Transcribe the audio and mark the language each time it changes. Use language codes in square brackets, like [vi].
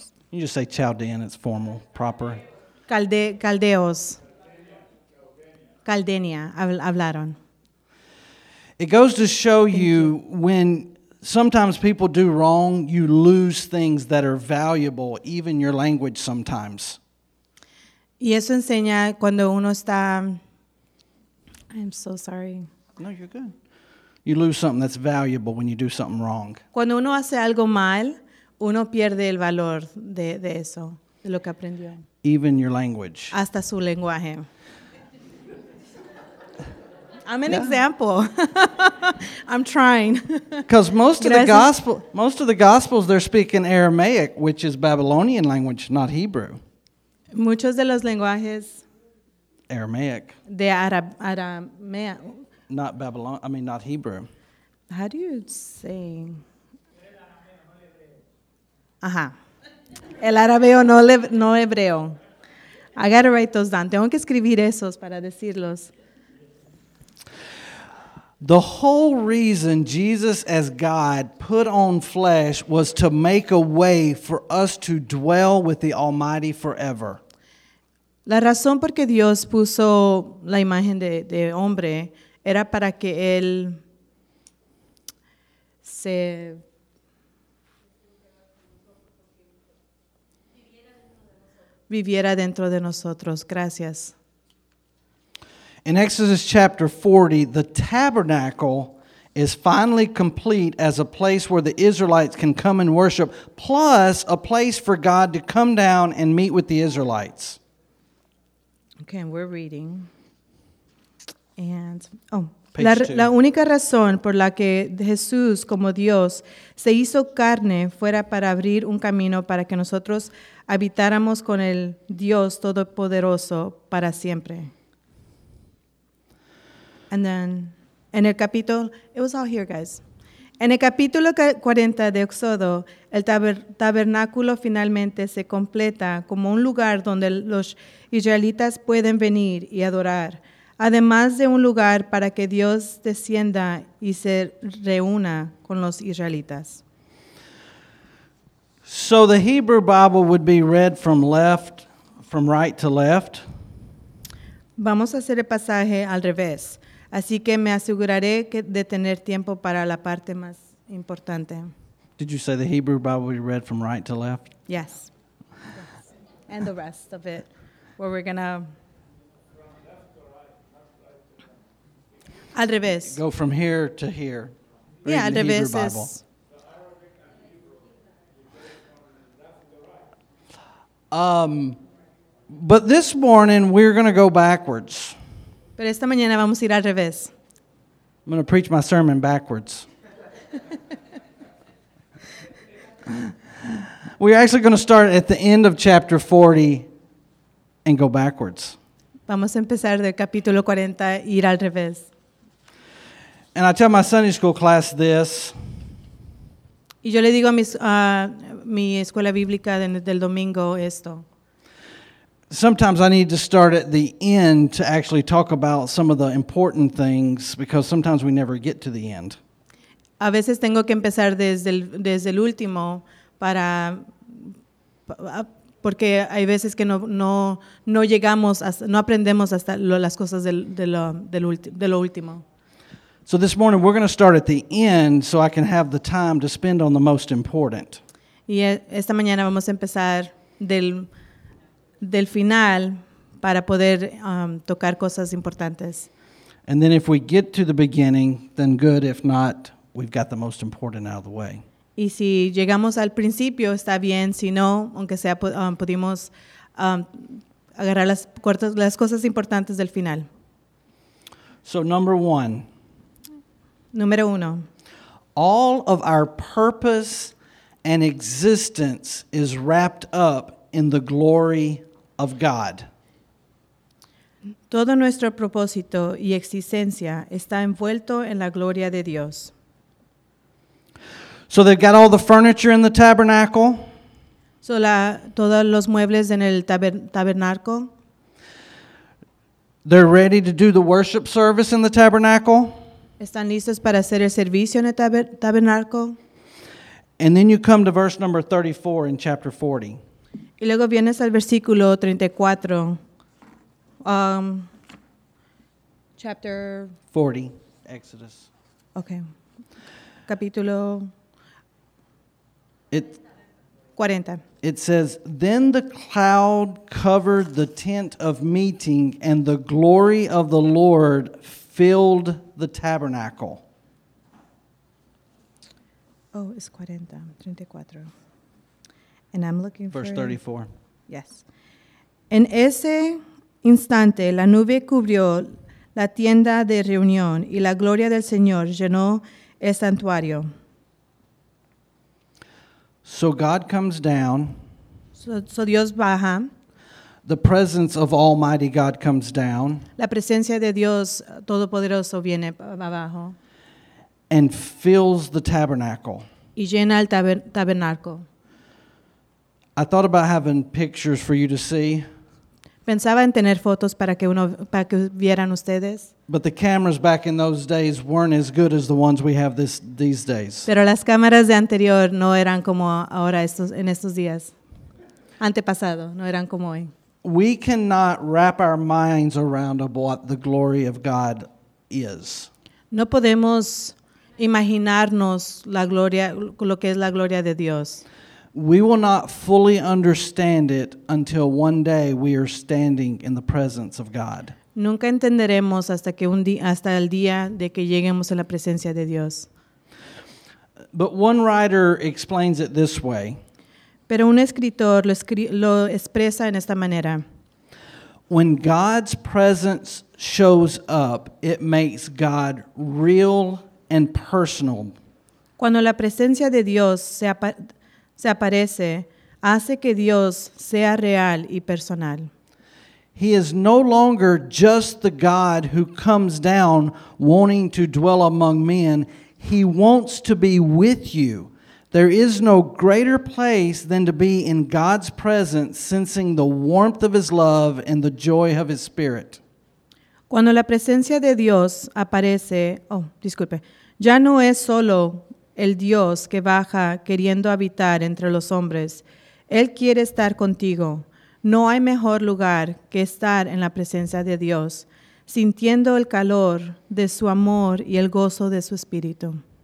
[en] You just say Chaldean, it's formal, proper. [es] Caldeos. Caldenia, hablaron. [en] It goes to show you when Sometimes people do wrong, you lose things that are valuable, even your language sometimes. [es] Y eso enseña cuando uno está... [en] I'm so sorry. No, you're good. You lose something that's valuable when you do something wrong. [es] Cuando uno hace algo mal, uno pierde el valor de eso, de lo que aprendió. [en] Even your language. [es] Hasta su lenguaje. [en] I'm an example. I'm trying. Because most of the gospels, they're speaking Aramaic, which is Babylonian language, not Hebrew. [es] Muchos de los lenguajes. [en] Aramaic. [es] De Aramea. [en] Not Babylon. I mean, not Hebrew. How do you say? [es] El arameo no hebreo. [en] I gotta write those down. [es] Tengo que escribir esos para decirlos. [en] The whole reason Jesus as God put on flesh was to make a way for us to dwell with the Almighty forever. [es] La razón por que Dios puso la imagen de hombre era para que él se... viviera dentro de nosotros. Gracias. [en] In Exodus chapter 40, the tabernacle is finally complete as a place where the Israelites can come and worship, plus a place for God to come down and meet with the Israelites. Okay, we're reading. [es] And, la única razón por la que Jesús, como Dios, se hizo carne fuera para abrir un camino para que nosotros habitáramos con el Dios Todopoderoso para siempre. And then, en el capítulo, [en] it was all here, guys. [es] En el capítulo 40 de Éxodo, el tabernáculo finalmente se completa como un lugar donde los israelitas pueden venir y adorar, además de un lugar para que Dios descienda y se reúna con los israelitas. [en] So the Hebrew Bible would be read from right to left. [es] Vamos a hacer el pasaje al revés. Así que me aseguraré de tener tiempo para la parte más importante. [en] Did you say the Hebrew Bible we read from right to left? Yes. And the rest of it, where we're going to... [es] Al revés. [en] Go from here to here. [es] Yeah, al revés Hebrew es... [en] Bible. But this morning, we're going to go backwards. [es] Pero esta mañana vamos a ir al revés. [en] I'm going to preach my sermon backwards. We're actually going to start at the end of chapter 40 and go backwards. [es] Vamos a empezar del capítulo 40 y ir al revés. [en] And I tell my Sunday school class this. [es] Y yo le digo a mi escuela bíblica del domingo esto. [en] Sometimes I need to start at the end to actually talk about some of the important things because sometimes we never get to the end. [es] A veces tengo que empezar desde el último para porque hay veces que no llegamos no aprendemos hasta las cosas de lo último. [en] So this morning we're going to start at the end so I can have the time to spend on the most important. [es] Y esta mañana vamos a empezar del final para poder tocar cosas importantes. [en] And then if we get to the beginning, then good. If not, we've got the most important out of the way. [es] Y si llegamos al principio, está bien. Si no, aunque sea, pudimos agarrar las cosas importantes del final. [en] So number one. [es] Número uno. [en] All of our purpose and existence is wrapped up in the glory of God. [es] Todo nuestro propósito y existencia está envuelto en la gloria de Dios. [en] So they've got all the furniture in the tabernacle. [es] So todos los muebles en el tabernáculo. [en] They're ready to do the worship service in the tabernacle. [es] Están listos para hacer el servicio en el tabernáculo. [en] And then you come to verse number 34 in chapter 40. [es] Y luego vienes al versículo 34. [en] Chapter 40, Exodus. [es] Okay. capítulo 40. [en] It says, then the cloud covered the tent of meeting, and the glory of the Lord filled the tabernacle. Oh, it's 40, 34. And I'm looking verse 34. Yes. [es] En ese instante, la nube cubrió la tienda de reunión y la gloria del Señor llenó el santuario. [en] So God comes down. [es] So Dios baja. [en] The presence of Almighty God comes down. [es] La presencia de Dios Todopoderoso viene abajo. [en] And fills the tabernacle. [es] Y llena el tabernáculo. [en] I thought about having pictures for you to see. [es] Pensaba en tener fotos para que vieran ustedes. [en] But the cameras back in those days weren't as good as the ones we have these days. [es] Pero las cámaras de anterior no eran como ahora en estos días. Antepasado, no eran como hoy. [en] We cannot wrap our minds around what the glory of God is. [es] No podemos imaginarnos la gloria, lo que es la gloria de Dios. [en] We will not fully understand it until one day we are standing in the presence of God. [es] Nunca entenderemos hasta el día de que lleguemos a la presencia de Dios. [en] But one writer explains it this way. [es] Pero un escritor lo expresa en esta manera. [en] When God's presence shows up, it makes God real and personal. [es] Cuando la presencia de Dios se aparece, hace que Dios sea real y personal. [en] He is no longer just the God who comes down wanting to dwell among men. He wants to be with you. There is no greater place than to be in God's presence, sensing the warmth of His love and the joy of His Spirit. [es] Cuando la presencia de Dios aparece, ya no es solo el Dios que baja queriendo habitar entre los hombres. Él quiere estar contigo. No hay mejor lugar que estar en la presencia de Dios, sintiendo el calor de su amor y el gozo de su espíritu.